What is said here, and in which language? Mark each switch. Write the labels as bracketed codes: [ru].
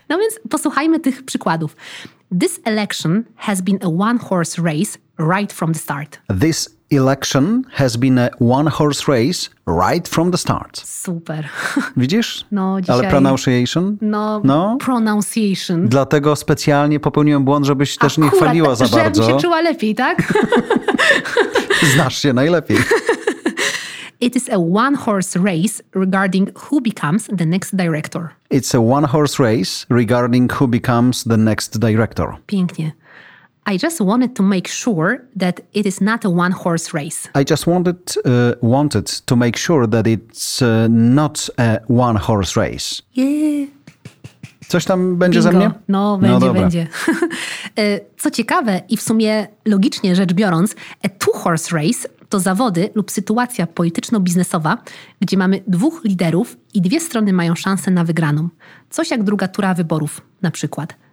[pl] No więc posłuchajmy tych przykładów. [en] This election has been a one-horse race right from the start. This election has been a one-horse race right from the start. [pl] Super. Widzisz? No, dzisiaj... Ale pronunciation? No, pronunciation. Dlatego specjalnie popełniłem błąd, żebyś też akurat nie chwaliła za bardzo. Żebym się czuła lepiej, tak? Znasz się najlepiej. [en] It is a one-horse race regarding who becomes the next director. It's a one-horse race regarding who becomes the next director. [pl] Pięknie. [en] I just wanted to make sure that it is not a one-horse race. I just wanted to make sure that it's not a one-horse race. Yeah. [pl] Coś tam będzie [en] Bingo. [pl] Ze mnie? No, będzie, no, będzie. Co ciekawe i w sumie logicznie rzecz biorąc, a two-horse race to zawody lub sytuacja polityczno-biznesowa, gdzie mamy dwóch liderów i dwie strony mają szansę na wygraną. Coś jak druga tura wyborów, na przykład.